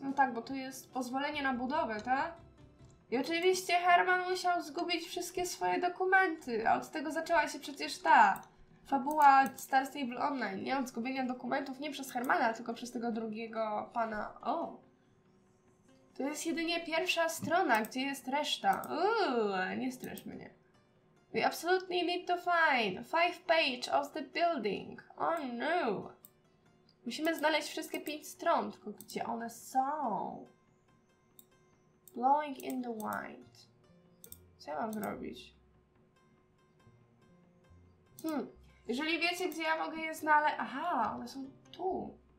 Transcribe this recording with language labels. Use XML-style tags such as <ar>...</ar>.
<pl>No tak, bo to jest pozwolenie na budowę, tak? I oczywiście Herman musiał zgubić wszystkie swoje dokumenty, a od tego zaczęła się przecież ta fabuła Star Stable Online, nie? Od zgubienia dokumentów nie przez Hermana, tylko przez tego drugiego pana. O! To jest jedynie pierwsza strona, gdzie jest reszta. Nie stresz mnie.</pl> <en>We absolutely need to find 5 pages of the building. Oh no!</en> <pl>Musimy znaleźć wszystkie 5 stron, tylko gdzie one są?</pl> <en>Blowing in the wind.</en> <pl>Co ja mam zrobić? Jeżeli wiecie, gdzie ja mogę je znaleźć... Aha, one są tu.</pl>